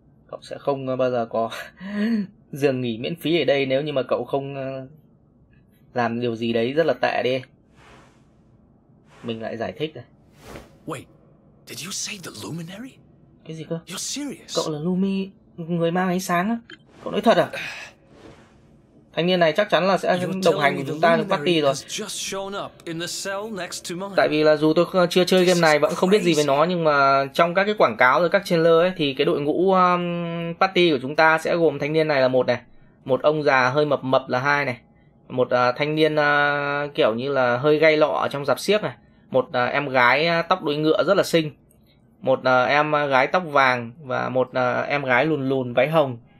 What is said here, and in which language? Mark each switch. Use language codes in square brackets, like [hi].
[vi] Cậu sẽ không bao giờ có giường nghỉ miễn phí ở đây nếu như mà cậu không làm điều gì đấy rất là tệ đi. Mình lại giải thích này. [en] Wait, did you say the luminary? [vi] Cái gì cơ? [en] You're serious? [vi] Cậu là Lumi, người mang ánh sáng á? Cậu nói thật à? Thanh niên này chắc chắn là sẽ đồng hành cùng chúng ta được party rồi. [en] Just shown up in the cell next to mine. [vi] Tại vì là dù tôi chưa chơi game này, vẫn không biết gì về nó, nhưng mà trong các cái quảng cáo rồi các trailer ấy, thì cái đội ngũ party của chúng ta sẽ gồm thanh niên này là một này, một ông già hơi mập mập là hai này, một thanh niên kiểu như là hơi gay lọ ở trong rạp xiếc này, một em gái tóc đuôi ngựa rất là xinh, một em gái tóc vàng và một em gái lùn lùn váy hồng.